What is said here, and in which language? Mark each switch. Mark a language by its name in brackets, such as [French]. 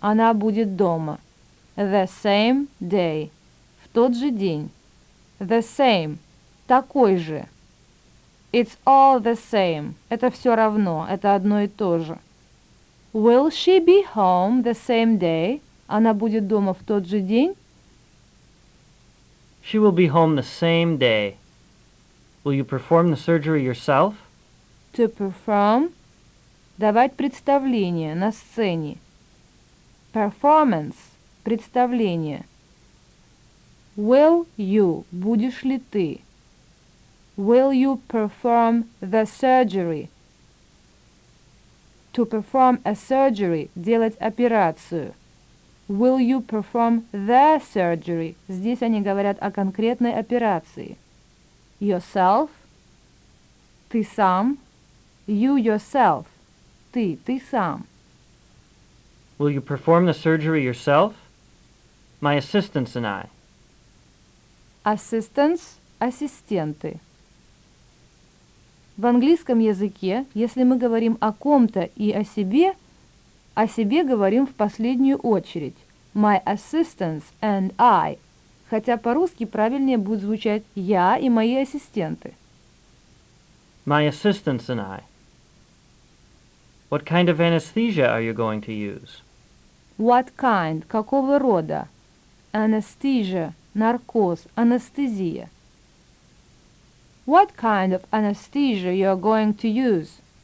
[Russian] Она будет дома. [English] The same day. [Russian] В тот же день. [English] The same. [Russian] Такой же. [English] It's all the same. [Russian] Это все равно. Это одно и то же. [English] Will she be home the same day? [Russian] Она будет дома в тот же день? [English] She will be home the same day. Will you perform the surgery yourself? To perform. [Russian] Давать представление на сцене. [English] Performance. [Russian] Представление. [English] Will you? [Russian] Будешь ли ты? [English] Will you perform the surgery? To perform a surgery. [Russian] Делать операцию. [English] Will you perform the surgery? [Russian] Здесь они говорят о конкретной операции. [English] Yourself? [Russian] Ты сам? [English] You yourself? [Russian] Ты сам? [English] Will you perform the surgery yourself? My assistants and I. Assistants – ассистенты. [Russian] В английском языке, если мы говорим о ком-то и о себе говорим в последнюю очередь. [English] My assistants and I. [Russian] Хотя по-русски правильнее будет звучать «я и мои ассистенты». [English] My assistants and I. What kind of anesthesia are you going to use? What kind? [Russian] Какого рода? Anesthesia. Наркоз. Анестезия. [English] What kind of anesthesia you are going to use?